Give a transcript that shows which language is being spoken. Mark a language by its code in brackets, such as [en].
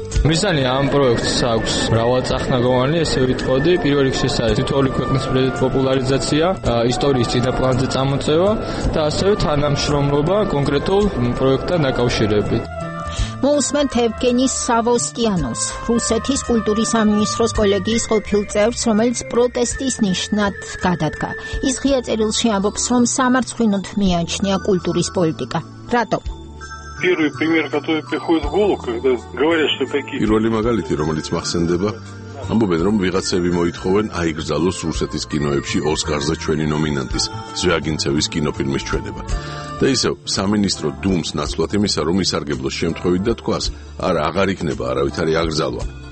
[ka] მისანი ამ პროექტს აქვს მრავალწახნაგოვანი, ესე ვიტყოდი, პირველ რიგში საერთოდ თითოეული ქვეყნის ბრენდის პოპულარიზაცია, ისტორიის წინაპლანზე წამოწევა და ასევე თანამშრომლობა კონკრეტულ პროექტთან დაკავშირებით. მოუსმენთ ევგენი სავოსტიანოს, რუსეთის კულტურის სამინისტროს კოლეგიის ყოფილ წევრს, რომელიც პროტესტის ნიშნად გადადგა. ის ღია წერილში ამბობს, რომ სამარცხვინოდ მიაჩნია კულტურის პოლიტიკა. რატო? [ru] Первый пример, который приходит в голову, когда говорят, что такие... Первый [ka] магалити, რომელიც მახსენდება, ამბობენ, რომ ვიღაცები მოითხოვენ აიგზალოს რუსეთის კინოებში ოსკარზე ჩვენი ნომინანტის, ზვიაგინცევის კინოფილმის ჩვენება. და ისევ, სამინისტრო დუმს ნაცვლად იმისა, რომ ისარგებლოს შემთხვევით და თქვას, არა, აღარ იქნება არავითარი აგზალვა.